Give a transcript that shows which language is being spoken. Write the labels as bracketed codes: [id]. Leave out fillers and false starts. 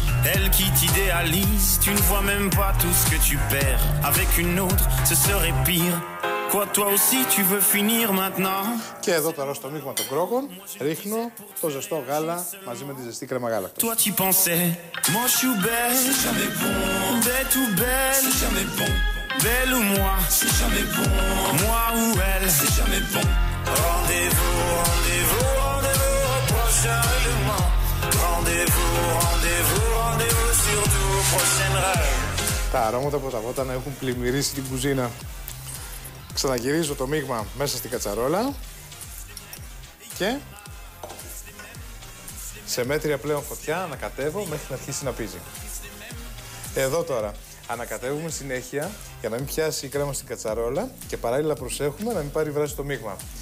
[fr] Elle qui t'idéalise, tu ne vois même pas tout ce que tu perds. Avec une autre, ce serait pire. Quoi, toi aussi, tu veux finir maintenant. [el] Και εδώ τώρα στο μείγμα των κρόκων ρίχνω το ζεστό γάλα μαζί με τη ζεστή κρέμα γάλα. [fr] Toi tu pensais, moi je suis belle, c'est jamais bon. Bête ou belle, c'est jamais bon. Belle ou moi, c'est jamais bon. Moi ou elle, c'est jamais bon. Rendez-vous, rendez-vous, rendez-vous au prochain règlement. Rendez-vous, rendez-vous, rendez-vous surtout au prochain rêve. [el] Τα αρώματα από τα βότανα έχουν πλημμυρίσει την κουζίνα. Ξαναγυρίζω το μείγμα μέσα στην κατσαρόλα και σε μέτρια πλέον φωτιά ανακατεύω μέχρι να αρχίσει να πίζει. Εδώ τώρα ανακατεύουμε συνέχεια για να μην πιάσει η κρέμα στην κατσαρόλα και παράλληλα προσέχουμε να μην πάρει βράση το μείγμα.